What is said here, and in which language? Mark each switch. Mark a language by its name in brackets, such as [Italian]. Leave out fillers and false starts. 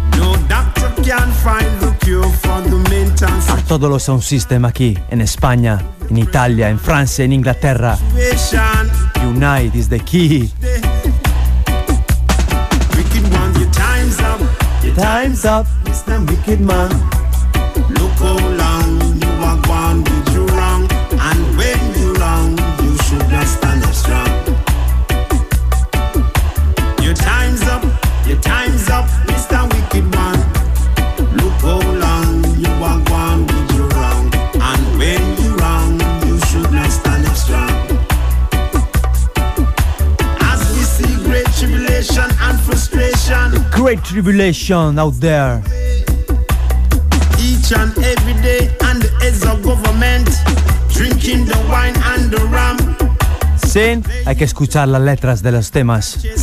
[English] No doctor can find the cure for the maintenance. [Spanish] A todos los sound system aquí, en España, en Italia, en Francia, en Inglaterra. [English] Unite is the key. Wicked man, your time's up. Your time's up, Mr. Wicked Man. Look how long you are gone with your wrong. And when you're wrong, you should not stand up strong. Your time's up, Mr. Wicked Man. Look how long you are gone with your wrong. And when you're wrong, you should not stand up strong. As we see great tribulation and frustration. The great tribulation out there. And every day and the heads of government drinking the wine and the rum. [Spanish] Sin, hay que escuchar las letras de los temas.